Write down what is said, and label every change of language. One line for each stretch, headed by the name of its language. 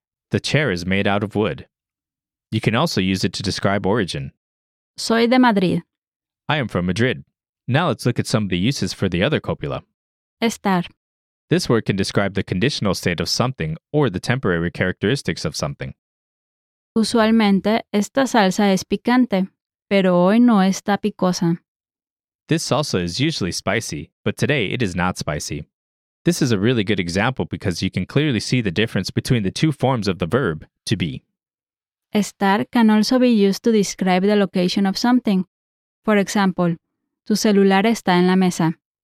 English: The chair is made out of wood. You can also use it to describe origin.
Spanish: Soy de Madrid.
English: I am from Madrid. Now let's look at some of the uses for the other copula.
Spanish: Estar.
English: This word can describe the conditional state of something or the temporary characteristics of something.
Spanish: Usualmente, esta salsa es picante, pero hoy no está picosa.
English: This salsa is usually spicy, but today it is not spicy. This is a really good example because you can clearly see the difference between the two forms of the verb, to be. Estar can also be used to describe the location of something. For example,
Spanish: tu celular está en la mesa.